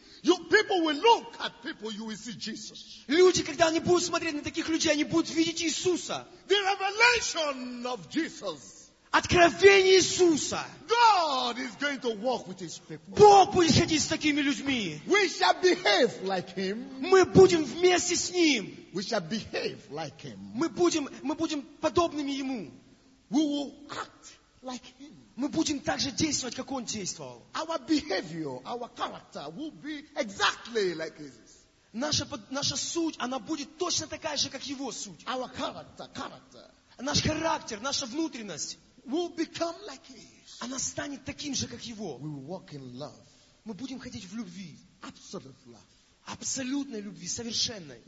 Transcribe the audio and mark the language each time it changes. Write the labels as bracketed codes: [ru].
[en] You, people will look at people, you will see Jesus. [ru] Люди, когда они будут смотреть на таких людей, они будут видеть Иисуса. [en] The revelation of Jesus. [ru] Откровение Иисуса. [en] God is going to walk with his people. [ru] Бог будет ходить с такими людьми. [en] We shall behave like him. [ru] Мы будем вместе с ним. [en] We shall behave like him. [ru] Мы будем подобными ему. [en] We will act like him. [ru] Мы будем так же действовать, как он действовал. [en] Our behavior, our character will be exactly like his. [ru] Наша суть, она будет точно такая же, как его суть. [en] Our character. [ru] Наш характер, наша внутренность. [en] Will become like his. [ru] Она станет таким же, как его. [en] We will walk in love. [ru] Мы будем ходить в любви. [en] Absolute love. [ru] Абсолютной любви, совершенной.